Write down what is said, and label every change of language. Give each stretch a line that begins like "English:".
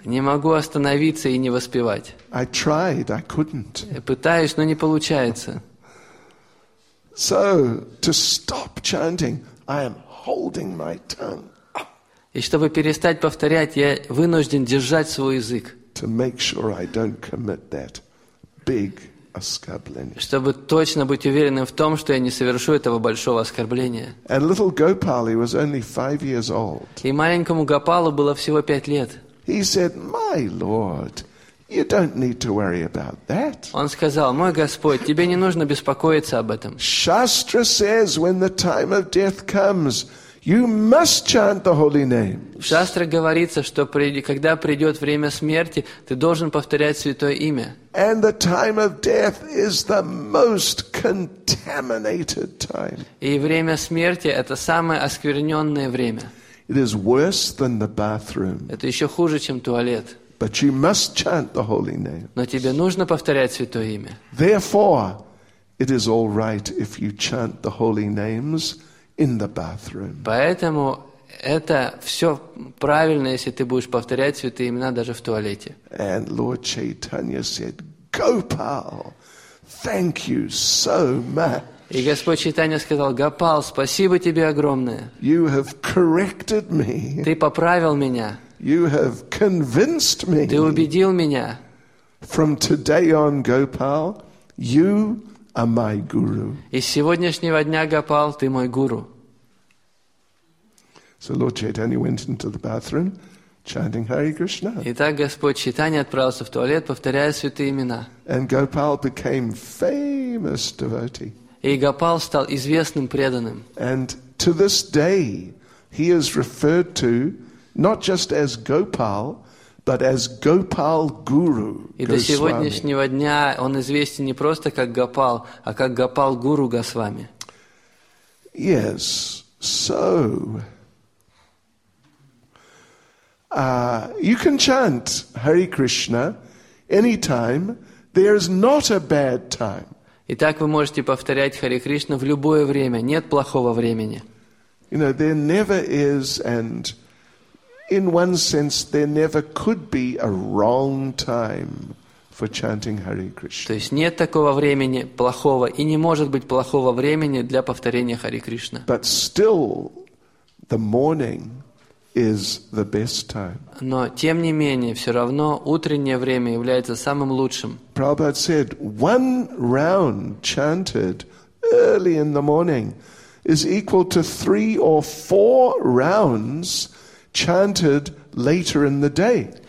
Russian: Не могу остановиться и не воспевать.
English: I tried, I couldn't.
Russian: Пытаюсь, но не получается.
English: So, to stop chanting, I am holding my tongue.
Russian: И чтобы перестать повторять, я вынужден держать свой язык.
English: To make sure I don't commit that big
Russian: оскорбление. Чтобы точно быть уверенным в том, что я не совершу этого большого оскорбления.
English: And little Gopal, he was only 5 years old.
Russian: И маленькому Гопалу было всего 5 лет.
English: He said, "My Lord, you don't need to worry about that."
Russian: Он сказал: "Мой Господь, тебе не нужно беспокоиться об этом."
English: Shastra says, when the time of death comes, you must chant the holy name.
Russian: В Шастре говорится, что когда придет время смерти, ты должен повторять святое имя.
English: And the time of death is the most contaminated time.
Russian: И время смерти – это самое оскверненное время.
English: It is worse than the bathroom.
Russian: Это еще хуже, чем туалет.
English: But you must chant the holy name.
Russian: Но тебе нужно повторять святое имя.
English: Therefore, it is all right if you chant the holy names in the bathroom.
Russian: Поэтому это все правильно, если ты будешь повторять святые имена даже в туалете.
English: And Lord Chaitanya said, Gopal, thank you so much.
Russian: И Господь Чайтанья сказал: Гопал, спасибо тебе огромное.
English: You have corrected me.
Russian: Ты поправил меня.
English: You have convinced me.
Russian: Ты убедил меня.
English: From today on, Gopal, you are my guru.
Russian: И с сегодняшнего дня, Гопал, ты мой гуру.
English: So Lord Chaitanya went into the bathroom, chanting Hare Krishna.
Russian: Итак, Господь Чайтанья отправился в туалет, повторяя святые имена.
English: And Gopal became famous devotee.
Russian: И Гопал стал известным преданным.
English: And to this day, he is referred to not just as Gopal, but as Gopal Guru.
Russian: И до сегодняшнего дня он известен не просто как Гопал, а как Гопал Гуру Госвами.
English: Yes, so. You can chant Hare Krishna anytime. There is not a bad time.
Russian: Итак, вы можете повторять Харе Кришна в любое время. Нет плохого времени.
English: You know, there never is, and in one sense, there never could be a wrong time for chanting Hare Krishna.
Russian: То есть нет такого времени плохого и не может быть плохого времени для повторения Харе Кришна.
English: But still, the morning is the best time.
Russian: Но тем не менее, все равно утреннее время является самым лучшим.
English: Prabhupada said, one round chanted early in the morning is equal to three or four rounds chanted later in the day.